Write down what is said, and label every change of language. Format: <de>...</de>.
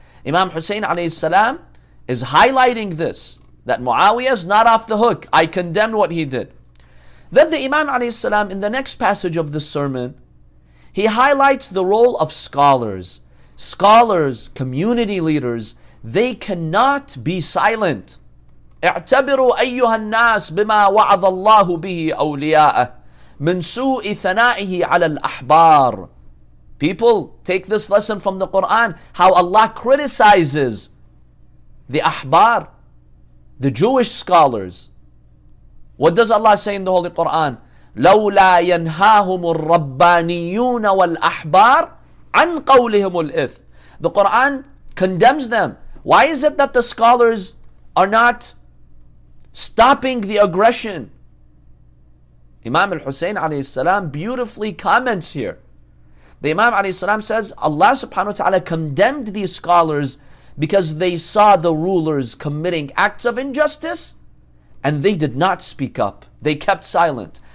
<en>Imam Hussein alayhi salam is highlighting this, that Muawiyah is not off the hook. I condemn what he did. Then the Imam alayhi salam, in the next passage of the sermon, he highlights the role of scholars. Scholars, community leaders, they cannot be silent.</en> <ar>اعتبروا أيها الناس بما وعظ الله به أولياءه من سوء ثنائه على الأحبار.</ar> <en>People, take this lesson from the Quran, how Allah criticizes the Ahbar, the Jewish scholars. What does Allah say in the Holy Quran?</en> <ar>لولا ينهاهم الربانيون والأحبار عن قولهم الإثم.</ar> <en>The Quran condemns them. Why is it that the scholars are not stopping the aggression? Imam al-Hussein alayhi salam beautifully comments here. The Imam alayhi salam says, Allah subhanahu wa ta'ala condemned these scholars because they saw the rulers committing acts of injustice and they did not speak up. They kept silent.</en>